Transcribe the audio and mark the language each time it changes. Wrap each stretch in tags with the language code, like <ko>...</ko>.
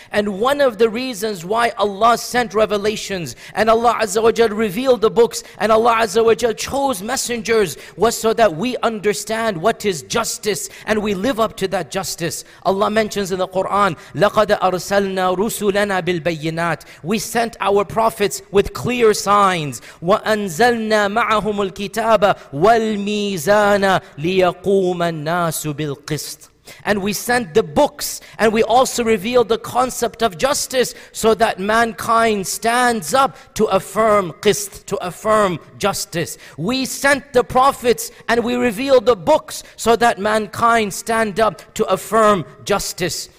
<en>And one of the reasons why Allah sent revelations and Allah Azza wa Jal revealed the books and Allah Azza wa Jal chose messengers was so that we understand what is justice and we live up to that justice. Allah mentions in the Quran,</en> <ar>لَقَدْ أَرْسَلْنَا رسلنا بالبينات.</ar> <en>We sent our prophets with clear signs.</en> <ar>وأنزلنا معهم الكتاب والميزان ليقوم الناس بالقسط.</ar> <en>And we sent the books, and we also revealed the concept of justice so that mankind stands up to affirm qist, to affirm justice. We sent the prophets, and we revealed the books so that mankind stand up to affirm justice.</en>